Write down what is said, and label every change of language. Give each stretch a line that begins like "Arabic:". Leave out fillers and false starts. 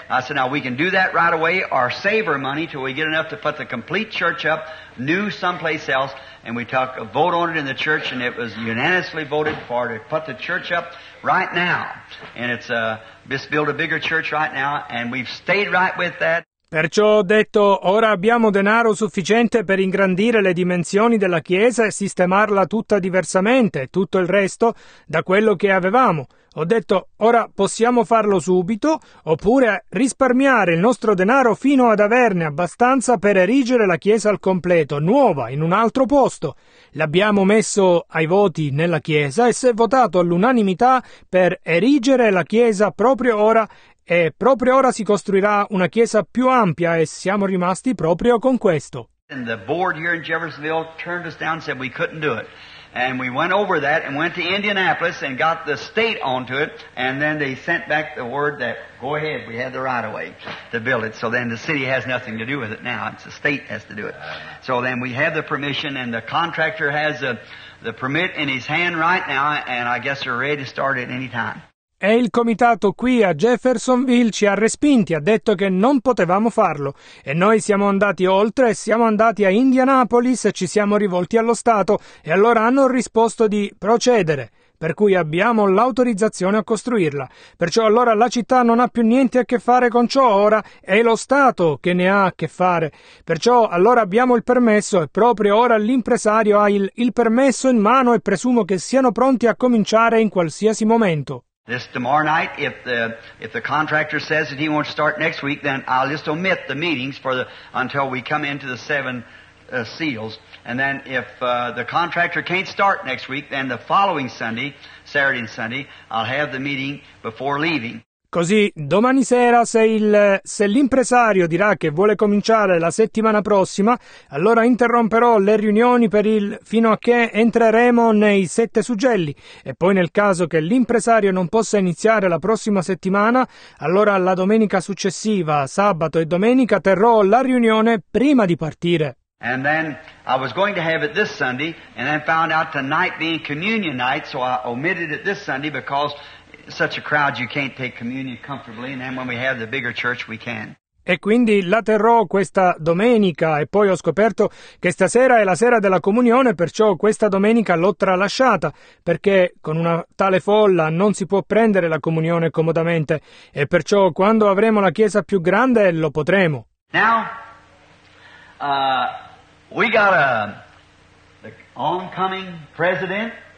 English: I said, now we can do that right away or save our money till we get enough to put the complete church up, new someplace else. And we took a vote on it in the church and it was unanimously voted for to put the church up right now. And it's just build a bigger church right now and we've stayed right with that.
Italian: Perciò ho detto, ora abbiamo denaro sufficiente per ingrandire le dimensioni della Chiesa e sistemarla tutta diversamente, tutto il resto, da quello che avevamo. Ho detto, ora possiamo farlo subito, oppure risparmiare il nostro denaro fino ad averne abbastanza per erigere la Chiesa al completo, nuova, in un altro posto. L'abbiamo messo ai voti nella Chiesa e si è votato all'unanimità per erigere la Chiesa proprio ora. E proprio ora si costruirà una chiesa più ampia e siamo rimasti proprio con questo.
English: And the board here in Jeffersonville turned us down and said we couldn't do it. And we went over that and went to Indianapolis and got the state onto it. And then they sent back the word that, go ahead, we had the right of way to build it. So then the city has nothing to do with it now. It's the state has to do it. So then we have the permission and the contractor has the permit in his hand right now. And I guess they're ready to start at any time.
Italian: E il comitato qui a Jeffersonville ci ha respinti, ha detto che non potevamo farlo. E noi siamo andati oltre, siamo andati a Indianapolis e ci siamo rivolti allo Stato. E allora hanno risposto di procedere, per cui abbiamo l'autorizzazione a costruirla. Perciò allora la città non ha più niente a che fare con ciò ora, è lo Stato che ne ha a che fare. Perciò allora abbiamo il permesso e proprio ora l'impresario ha il permesso in mano e presumo che siano pronti a cominciare in qualsiasi momento.
English: This tomorrow night, if the contractor says that he wants to start next week, then I'll just omit the meetings until we come into the seven seals. And then if the contractor can't start next week, then the following Sunday, Saturday and Sunday, I'll have the meeting before leaving.
Italian: Così domani sera se l'impresario dirà che vuole cominciare la settimana prossima, allora interromperò le riunioni fino a che entreremo nei sette suggelli. E poi nel caso che l'impresario non possa iniziare la prossima settimana, allora la domenica successiva, sabato e domenica, terrò la riunione prima di partire.
English: And then I was going to have it this Sunday, and then found out tonight being communion night, so I omitted it this Sunday because such a crowd you can't take communion comfortably, and then when we have the bigger church we can.
Italian: E quindi la terrò questa domenica e poi ho scoperto che stasera è la sera della comunione, perciò questa domenica l'ho tralasciata, perché con una tale folla non si può prendere la comunione comodamente, e perciò quando avremo la chiesa più grande lo potremo.
English: Now we got the oncoming president.